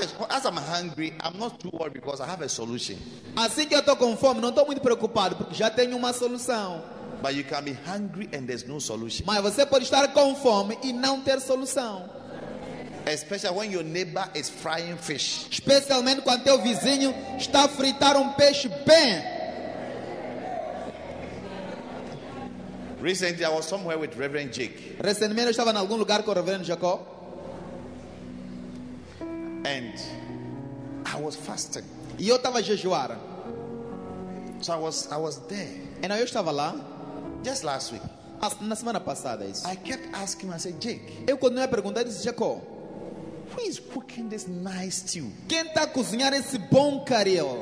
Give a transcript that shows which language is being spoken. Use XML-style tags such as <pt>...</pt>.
<en>As I'm hungry, I'm not too worried because I have a solution.</en> <pt>Assim que eu estou com fome, não estou muito preocupado porque já tenho uma solução.</pt> <en>But you can be hungry and there's no solution.</en> <pt>Mas você pode estar com fome e não ter solução.</pt> <en>Especially when your neighbor is frying fish.</en> <pt>Especialmente quando teu vizinho está a fritar peixe bem.</pt> <en>Recently I was somewhere with Reverend Jake.</en> <pt>Recentemente eu estava em algum lugar com o Reverendo Jacó.</pt> <en>And I was fasting.</en> <pt>E eu estava a jejuar.</pt> <en>So I was there.</en> <pt>E eu estava lá.</pt> <en>Just last week.</en> <pt>Na semana passada isso.</pt> <en>I kept asking myself, Jake.</en> <pt>Eu continuei a perguntar, disse Jacó.</pt> <en>Who is cooking this nice stew?</en> <pt>Quem está a cozinhar esse bom curry?</pt>